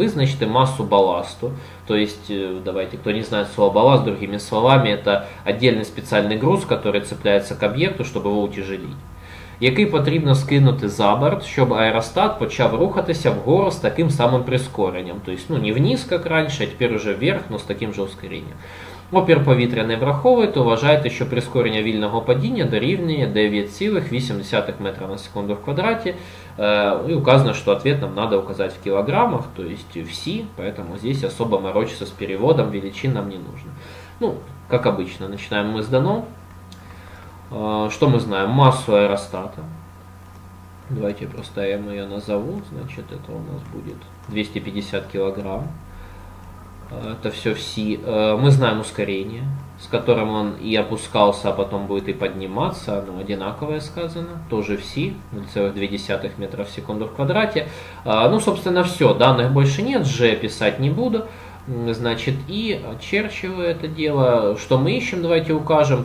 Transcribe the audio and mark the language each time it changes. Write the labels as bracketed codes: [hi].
[uk] Визначте массу балласту, [ru] то есть, давайте, кто не знает слово балласт, другими словами, это отдельный специальный груз, который цепляется к объекту, чтобы его утяжелить, [uk] який потрібно скинути за борт, щоб аэростат почав рухатися вгору с таким самым прискоренням. [ru] То есть, ну, не вниз, как раньше, а теперь уже вверх, но с таким же ускорением. [uk] Опір повітряний враховуєте, вважаєте, що прискорення вільного падіння дорівнює 9,8 метра на секунду в квадраті. І указано, що відповідь нам треба указати в кілограмах, тобто в сі, тому тут особо морочитися з переводом, величин нам не потрібно. Ну, як звичайно, починаємо ми з дано. Що ми знаємо? Масу аеростата. Давайте просто я її назову, значить, це у нас буде 250 кілограмів. [ru] Это все в си. Мы знаем ускорение, с которым он и опускался, а потом будет и подниматься. Оно одинаковое сказано. Тоже в си. 0,2 метра в секунду в квадрате. Ну, собственно, все. Данных больше нет. G писать не буду. Значит, и очерчиваю это дело. Что мы ищем, давайте укажем.